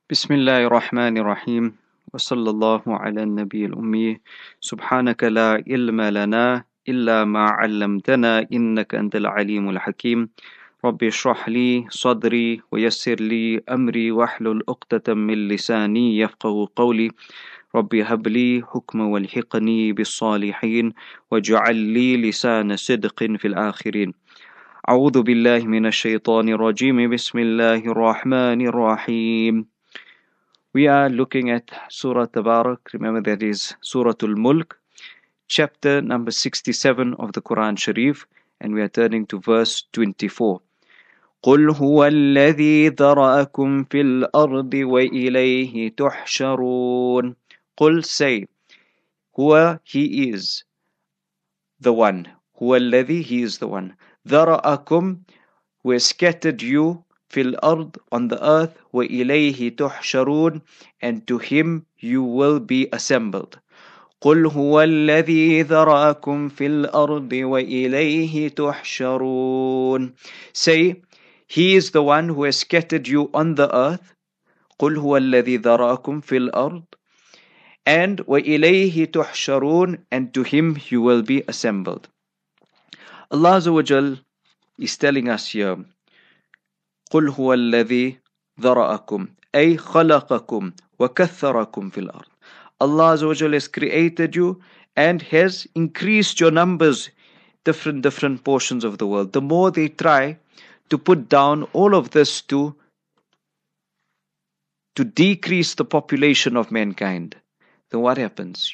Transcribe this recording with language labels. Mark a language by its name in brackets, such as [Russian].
[Arabic] بسم الله الرحمن الرحيم وصلى الله على النبي الأمي سبحانك لا علم لنا إلا ما علمتنا إنك أنت العليم الحكيم رب اشرح لي صدري ويسر لي أمري واحلل عقدة من لساني يفقه قولي رب هب لي حكما والحقني بالصالحين واجعل لي لسان صدق في الآخرين أعوذ بالله من الشيطان الرجيم بسم الله الرحمن الرحيم. [English] We are looking at Surah Tabarak. Remember that is Suratul Mulk, chapter number 67 of the Quran Sharif, and we are turning to verse 24. [Arabic] قُلْ هُوَ الَّذِي ذَرَأَكُمْ فِي الْأَرْضِ وَإِلَيْهِ تُحْشَرُونَ. قُلْ [English] say, [Arabic] هُوَ [English] he is the one. [Arabic] هُوَ الَّذِي [English] he is the one. [Arabic] ذَرَأَكُمْ [English] who has scattered you [Arabic] fil ard [English] on the earth, [Arabic] wa ilayhi tuhsharun, [English] and to him you will be assembled. [Arabic] Qul huwa alladhi dharakum fil ard wa ilayhi tuhsharun. [English] Say, he is the one who has scattered you on the earth. [Arabic] Qul huwa alladhi dharakum fil ard, [English] and [Arabic] wa ilayhi tuhsharun, [English] and to him you will be assembled. Allah Azza wa Jal is telling us here, [Arabic] قُلْ هُوَ الَّذِي ذَرَأَكُمْ أَيْ خَلَقَكُمْ وَكَثَّرَكُمْ فِي الْأَرْضِ. [English] Allah Azza wa Jal has created you and has increased your numbers, different portions of the world. The more they try to put down all of this to decrease the population of mankind, then what happens?